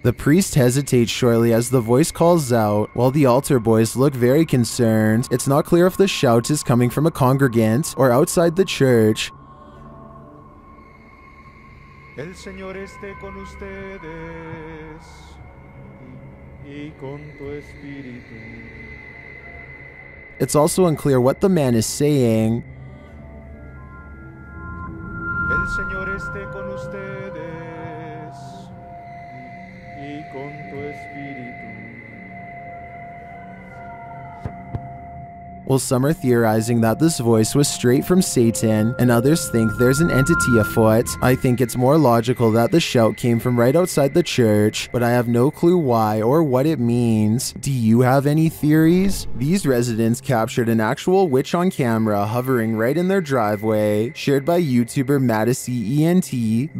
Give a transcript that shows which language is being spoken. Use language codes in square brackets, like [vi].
[en] The priest hesitates shortly as the voice calls out, while the altar boys look very concerned. It's not clear if the shout is coming from a congregant or outside the church. [es] El Señor esté con ustedes y con tu espíritu. [en] It's also unclear what the man is saying. [es] El Señor esté con ustedes y con tu espíritu. [en] Well, some are theorizing that this voice was straight from Satan, and others think there's an entity afoot. I think it's more logical that the shout came from right outside the church, but I have no clue why or what it means. Do you have any theories? These residents captured an actual witch on camera hovering right in their driveway, shared by YouTuber Madisie ENT.